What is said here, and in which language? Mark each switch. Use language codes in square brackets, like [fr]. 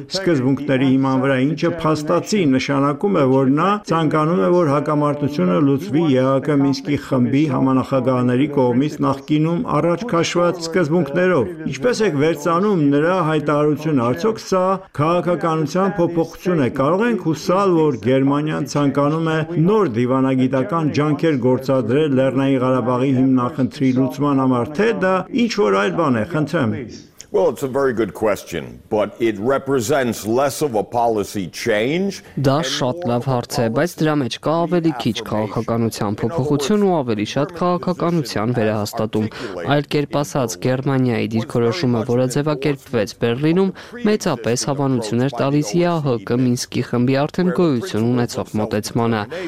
[hy] սկզբունքների հիման վրա, ինչը փաստացի նշանակում է, որ նա ցանկանում է, որ հակամարտությունը լուծվի ԵԱԿ Մինսկի խմբի համանախագահաների կողմից նախկինում առաջ քաշված սկզբունքներով։ Ինչպես եք վերցանում նրա հայտարարությունը, արդյոք սա քաղաքականության փոփոխություն է, կարող ենք հուսալ, որ Գերմանիան ցանկանում է նոր դիվանագիտական ջանքեր գործադրել Լեռնային Ղարաբաղի հիմնախնդրի լուծման համար, թե դա ինչ որ այլ բան է, խնդրեմ։ [en] Well, it's a very good question, but it represents less of a policy change. [hy] Դա շատ լավ հարց է, բայց դրա մեջ կա ավելի քիչ քաղաքականության փոփոխություն ու ավելի շատ քաղաքականության վերահաստատում։ Այլ կերպ ասած, Գերմանիայի դիրքորոշումը, որը ձևակերպվեց Բեռլինում, մեծապես հավանություն էր տալիս ԵԱՀԿ Մինսկի խմբի արդեն գոյություն ունեցող մոտեցմանը,